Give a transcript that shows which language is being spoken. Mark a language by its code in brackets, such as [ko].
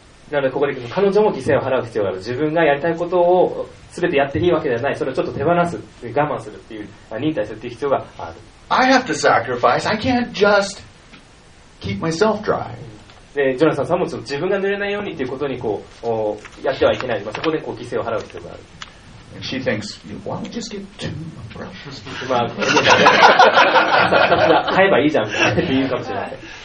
[ja] なのでここで彼女も犠牲を払う必要がある。自分がやりたいことを全てやっていいわけではない。それをちょっと手放す、我慢するっていう忍耐するっていう必要がある。 [en] I have to sacrifice. I can't just keep myself dry. [ja] でジョナサンさんも自分が濡れないようにということにこうやってはいけない、まあ、そこでこう犠牲を払う必要がある。 [en] She thinks, why don't you just get two umbrellas? [ja] まあ、2つ買えばいいじゃんって言うかもしれない。